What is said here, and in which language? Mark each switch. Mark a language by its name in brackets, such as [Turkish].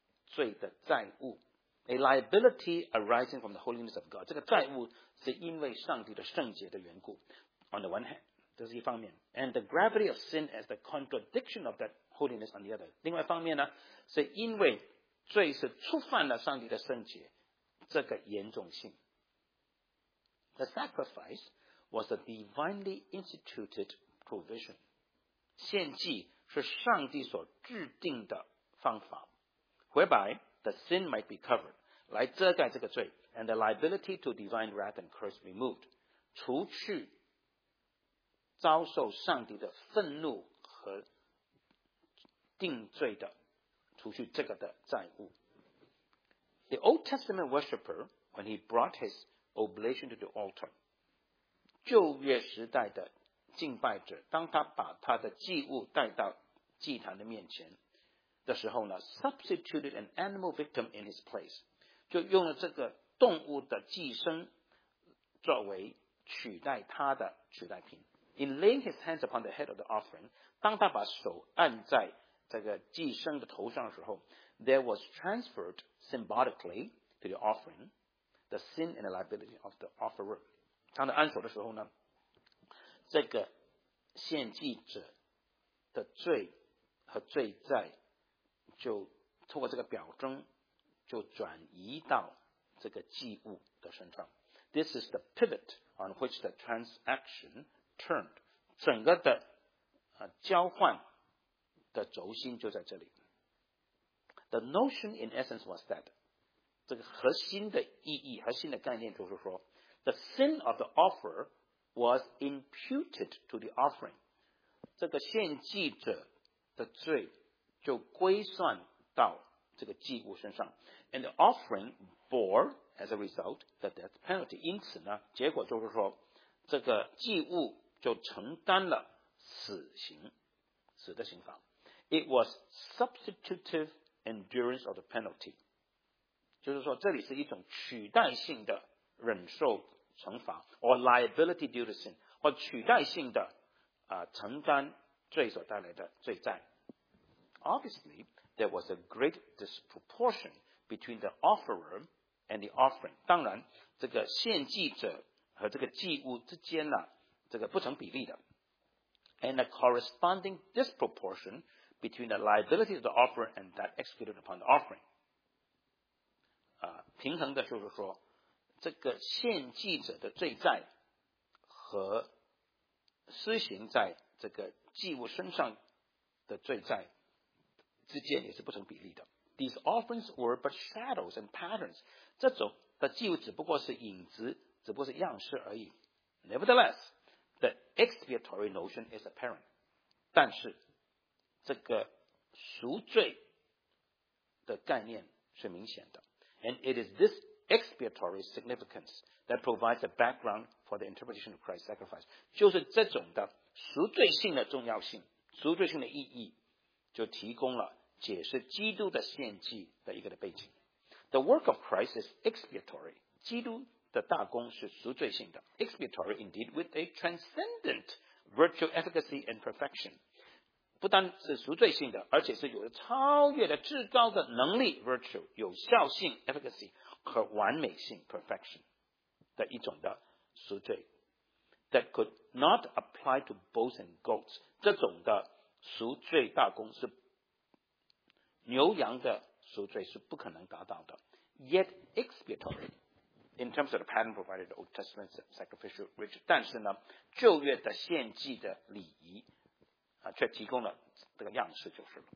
[Chinese] 罪的债务 [English] A liability arising from the holiness of God [Chinese] 这个债务是因为上帝的圣洁的缘故 [English] On the one hand [Chinese] 这是一方面 [English] And the gravity of sin as the contradiction of that holiness on the other [Chinese] 另外一方面呢是因为罪是触犯了上帝的圣洁这个严重性 [English] The sacrifice was a divinely instituted provision. [Chinese] 献祭是上帝所制定的方法 [English] whereby the sin might be covered, [Chinese] 来遮盖这个罪 [English] and the liability to divine wrath and curse removed, [Chinese] 除去遭受上帝的愤怒和定罪的除去这个的债务 [English] The Old Testament worshipper, when he brought his oblation to the altar, [Chinese] 旧约时代的敬拜者，当他把他的祭物带到祭坛的面前的时候呢 ， [English] substituted an animal victim in his place, [Chinese] 就用了这个动物的祭牲作为取代他的取代品。 [English] In laying his hands upon the head of the offering, [Chinese] 当他把手按在这个祭牲的头上的时候。 [English] There was transferred symbolically to the offering the sin and the liability of the offerer. [Chinese] 当他按手的时候呢，这个献祭者的罪和罪债就透过这个表征就转移到这个祭物的身上。 [English] This is the pivot on which the transaction turned. [Chinese] 整个的、交换的轴心就在这里。 [English] The notion in essence was that [Chinese] 这个核心的意义核心的概念就是说 [English] The sin of the offerer was imputed to the offering. [Chinese] 这个献祭者的罪就归算到这个祭物身上。 [English] And the offering bore, as a result, the death penalty. [Chinese] 因此呢，结果就是说，这个祭物就承担了死刑，死的刑罚。 [English] It was substitutive endurance of the penalty. [Chinese] 就是说，这里是一种取代性的忍受惩罚 ， [English] or liability due to sin, [Chinese] 或取代性的承担罪所带来的罪债。 [English] Obviously, there was a great disproportion between the offerer and the offering. [Chinese] 当然，这个献祭者和这个祭物之间呢，这个不成比例的。 [English] And a corresponding disproportion between the liability of the offerer and that executed upon the offering. [Chinese] 平衡的就是说，这个献祭者的罪债和施行在这个祭物身上的罪债之间也是不成比例的。 [English] These offerings were but shadows and patterns. [Chinese] 这种的祭物只不过是影子，只不过是样式而已。 [English] Nevertheless, the expiatory notion is apparent. [Chinese] 但是这个赎罪的概念是明显的。 [English] And it is this expiatory significance that provides the background for the interpretation of Christ's sacrifice. [Chinese] 就是这种的赎罪性的重要性，赎罪性的意义，就提供了解释基督的献祭的一个的背景。 [English] The work of Christ is expiatory. [Chinese] 基督的大功是赎罪性的。 [English] Expiatory indeed with a transcendent virtual efficacy and perfection. [Chinese] 不单是赎罪性的，而且是有超越的至高的能力 virtue 有效性 efficacy 和完美性 perfection 的一种的赎罪。 [English] That could not apply to bulls and goats. [Chinese] 这种的赎罪大功是牛羊的赎罪是不可能达到的。 [English] Yet expiatory, in terms of the pattern provided in the Old Testament sacrificial ritual, [Chinese] 但是呢，旧约的献祭的礼仪啊，却提供了这个样式就是了。